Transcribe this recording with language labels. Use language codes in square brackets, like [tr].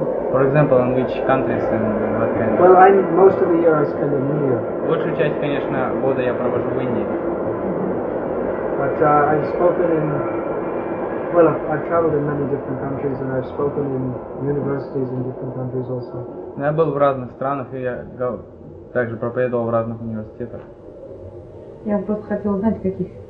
[en] For example, in which countries and what kind of... Well, I'm most of the year I spend in India. [ru] Большую часть, конечно, года я провожу в Индии. [en] But I've spoken in... Well, I've traveled in many different countries and I've spoken in universities in different countries also. [ru] Я был в разных странах и я также проповедовал в разных университетах. Я просто хотел знать, каких...